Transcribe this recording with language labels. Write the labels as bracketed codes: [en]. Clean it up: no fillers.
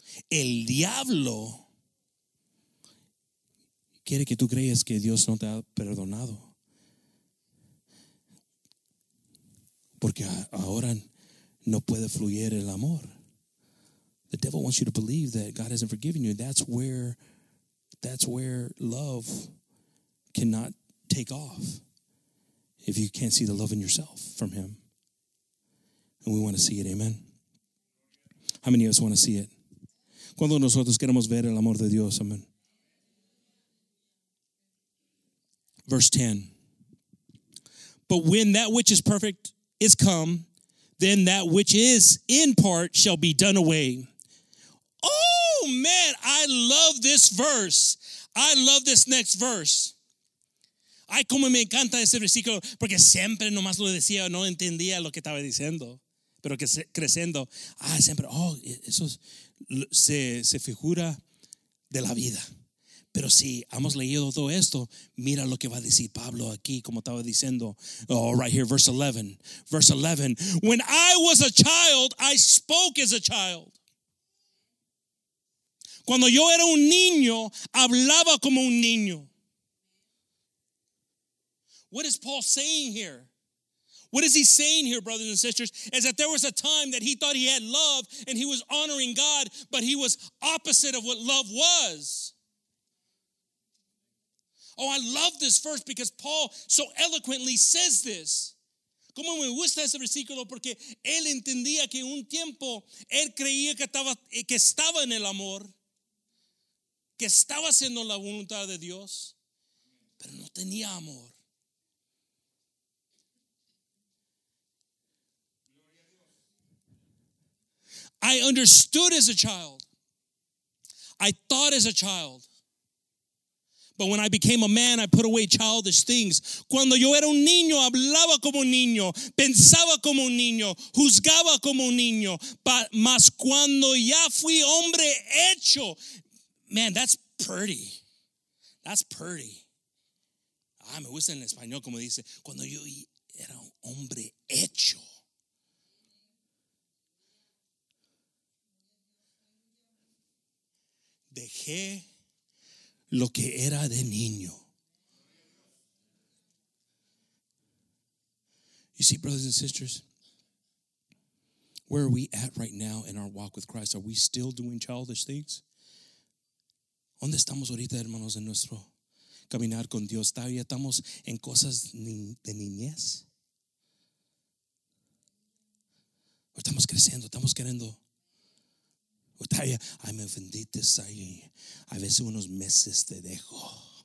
[es] El diablo quiere que tú creas que Dios no te ha perdonado, porque ahora no puede fluir el amor. [en] The devil wants you to believe that God hasn't forgiven you. That's where love cannot take off, if you can't see the love in yourself from him. And we want to see it, amen. How many of us want to see it? [es] Cuando nosotros queremos ver el amor de Dios, amén. [en] Verse 10. But when that which is perfect is come, then that which is in part shall be done away. Oh, man, I love this verse. I love this next verse. [es] Ay, como me encanta ese versículo, porque siempre nomás lo decía, no entendía lo que estaba diciendo. Pero que creciendo, siempre, eso es... Se figura de la vida. Pero si hemos leído todo esto, mira lo que va a decir Pablo aquí, como estaba diciendo. [en] Oh, right here, verse 11. Verse 11. When I was a child, I spoke as a child. [es] Cuando yo era un niño, hablaba como un niño. [en] What is Paul saying here? What is he saying here, brothers and sisters? Is that there was a time that he thought he had love and he was honoring God, but he was opposite of what love was. Oh, I love this verse because Paul so eloquently says this. [es] Cómo me gusta ese versículo, porque él entendía que un tiempo él creía que estaba en el amor, que estaba haciendo la voluntad de Dios, pero no tenía amor. [en] I understood as a child. I thought as a child. But when I became a man, I put away childish things. [es] Cuando yo era un niño, hablaba como un niño, pensaba como un niño, juzgaba como un niño. [en] But [es] mas cuando ya fui hombre hecho, [en] man, that's pretty. That's pretty. [es] Ah, me gusta en español como dice, cuando yo era un hombre hecho. Dejé lo que era de niño. [en] You see, brothers and sisters, where are we at right now in our walk with Christ? Are we still doing childish things? [es] ¿Dónde estamos ahorita, hermanos, en nuestro caminar con Dios? ¿Todavía estamos en cosas de niñez? ¿O estamos creciendo? ¿Estamos queriendo? Ay, me ofendiste ahí. A veces unos meses te dejo.